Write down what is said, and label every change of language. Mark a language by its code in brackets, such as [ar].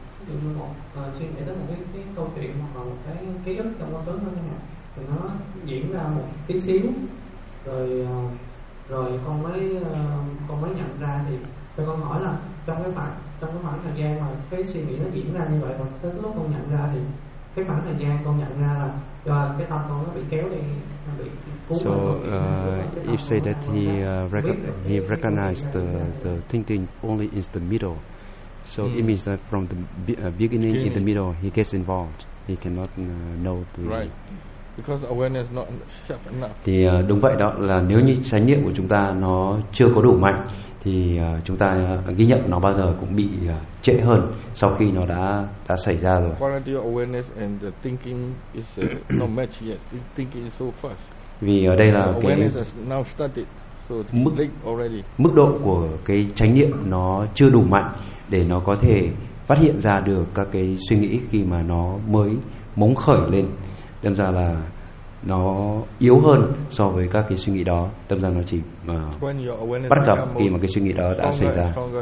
[en] So if say that he recognized the thinking only in the middle. So it means that from the beginning, in the middle, he gets involved. He cannot know the right, because awareness not sharp enough. [vi] Thì đúng vậy đó, là nếu như chánh niệm của chúng ta nó chưa có đủ mạnh, thì chúng ta ghi nhận nó bao giờ cũng bị trễ hơn sau khi nó đã xảy ra rồi. [en] Quality of awareness and the thinking is not matched yet. Thinking is so fast. [vi] Vì ở đây là [en] cái awareness has now started, so it's late already. [vi] Mức độ của cái chánh niệm nó chưa đủ mạnh để nó có thể phát hiện ra được các cái suy nghĩ khi mà nó mới mống khởi lên. Đâm ra là nó yếu hơn so với các cái suy nghĩ đó. Đâm ra nó chỉ bắt gặp khi mà cái suy nghĩ đó đã xảy ra.